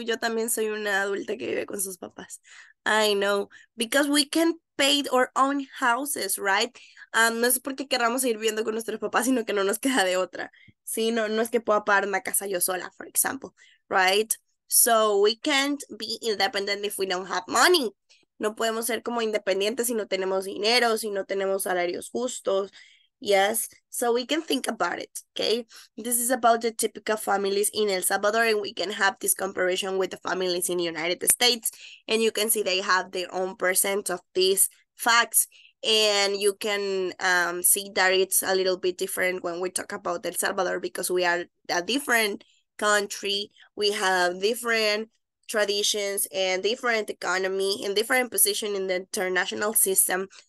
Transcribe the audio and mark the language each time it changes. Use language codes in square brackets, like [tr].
[es] Yo también soy una adulta que vive con sus papás. [en] I know. Because we can pay our own houses, right? [es] No es porque queramos seguir viviendo con nuestros papás, sino que no nos queda de otra. Sí, no, no es que pueda pagar una casa yo sola, [en] for example, right? So we can't be independent if we don't have money. [es] No podemos ser como independientes si no tenemos dinero, si no tenemos salarios justos. [en] Yes, so we can think about it, okay? This is about the typical families in El Salvador, and we can have this comparison with the families in the United States, and you can see they have their own percent of these facts, and you can see that it's a little bit different when we talk about El Salvador, because we are a different country, we have different traditions, and different economy, and different position in the international system.